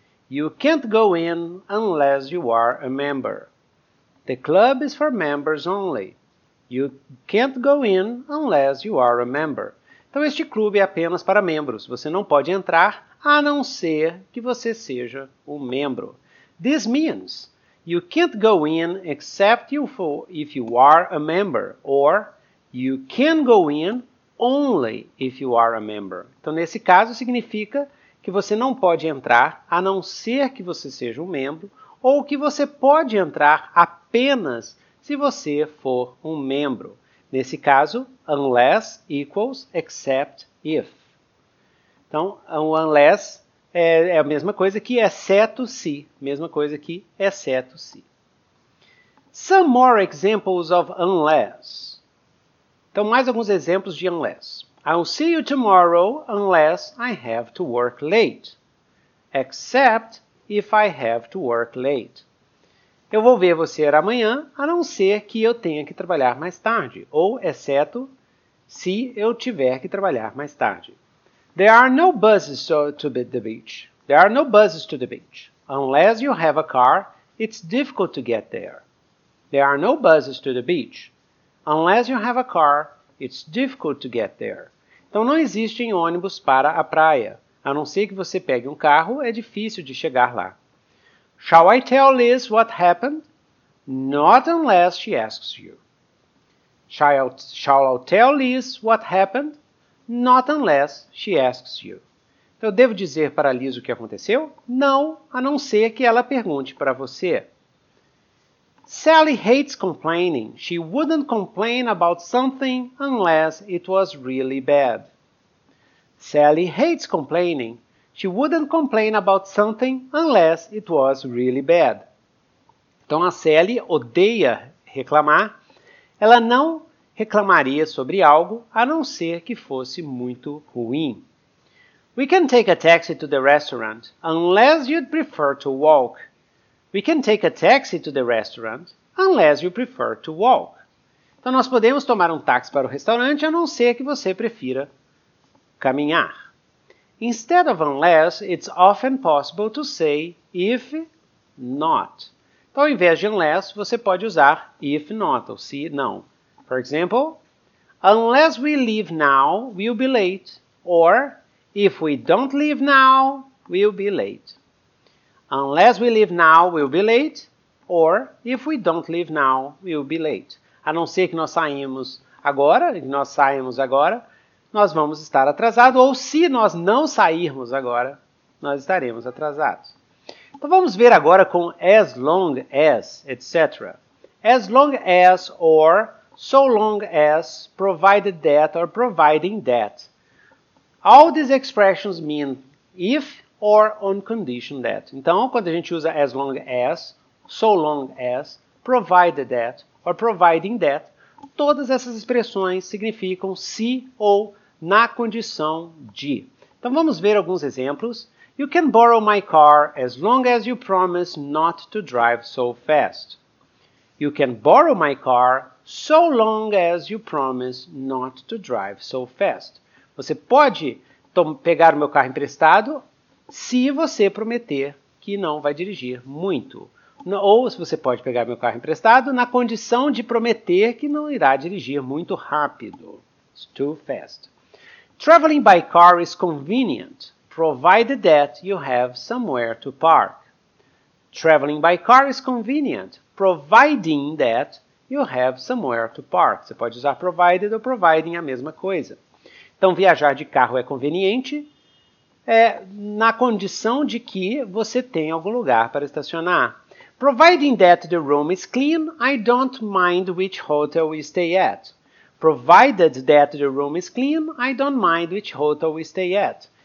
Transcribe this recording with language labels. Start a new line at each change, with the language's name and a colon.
English: You can't go in unless you are a member. The club is for members only. You can't go in unless you are a member.
Portuguese: Então este clube é apenas para membros. Você não pode entrar a não ser que você seja um membro.
English: This means you can't go in except if you are a member. Or you can go in only if you are a member.
Portuguese: Então, nesse caso, significa que você não pode entrar a não ser que você seja um membro. Ou que você pode entrar apenas se você for um membro. Nesse caso,
English: unless equals except if.
Portuguese: Então, o unless é a mesma coisa que exceto se. Mesma coisa que exceto se.
English: Some more examples of unless.
Portuguese: Então, mais alguns exemplos de unless.
English: I'll see you tomorrow unless I have to work late. Except if I have to work late.
Portuguese: Eu vou ver você amanhã, a não ser que eu tenha que trabalhar mais tarde. Ou exceto se eu tiver que trabalhar mais tarde.
English: There are no buses to the beach. There are no buses to the beach. Unless you have a car, it's difficult to get there. There are no buses to the beach. Unless you have a car, it's difficult to get there.
Portuguese: Então não existem ônibus para a praia. A não ser que você pegue um carro, é difícil de chegar lá.
English: Shall I tell Liz what happened? Not unless she asks you. Shall I tell Liz what happened? Not unless she asks you.
Portuguese: Então, eu devo dizer para a Liz o que aconteceu? Não, a não ser que ela pergunte para você.
English: Sally hates complaining. She wouldn't complain about something unless it was really bad. Sally hates complaining. She wouldn't complain about something unless it was really bad.
Portuguese: Então, a Sally odeia reclamar. Ela não reclamaria sobre algo, a não ser que fosse muito ruim.
English: We can take a taxi to the restaurant, unless you'd prefer to walk. We can take a taxi to the restaurant, unless you prefer to walk.
Portuguese: Então, nós podemos tomar um táxi para o restaurante, a não ser que você prefira caminhar.
English: Instead of unless, it's often possible to say if not.
Portuguese: Então, ao invés de unless, você pode usar if not, ou se não.
English: For example, unless we leave now, we'll be late. Or, if we don't leave now, we'll be late. Unless we leave now, we'll be late. Or, if we don't leave now, we'll be late.
Portuguese: A não ser que nós saímos agora, nós vamos estar atrasados. Ou, se nós não sairmos agora, nós estaremos atrasados. Então, vamos ver agora com as long as, etc.
English: As long as, or so long as, provided that, or providing that. All these expressions mean if or on condition that.
Portuguese: Então, quando a gente usa
English: as long as, so long as, provided that, or providing that,
Portuguese: todas essas expressões significam se ou na condição de. Então, vamos ver alguns exemplos.
English: You can borrow my car as long as you promise not to drive so fast. You can borrow my car so long as you promise not to drive so fast.
Portuguese: Você pode pegar o meu carro emprestado se você prometer que não vai dirigir muito. Ou se você pode pegar meu carro emprestado na condição de prometer que não irá dirigir muito rápido.
English: It's too fast. Traveling by car is convenient, provided that you have somewhere to park. Traveling by car is convenient, providing that you have somewhere to park.
Portuguese: Você pode usar provided ou providing a mesma coisa. Então, viajar de carro é conveniente na condição de que você tenha algum lugar para estacionar.
English: Providing that the room is clean, I don't mind which hotel we stay at. Provided that the room is clean, I don't mind which hotel we stay at.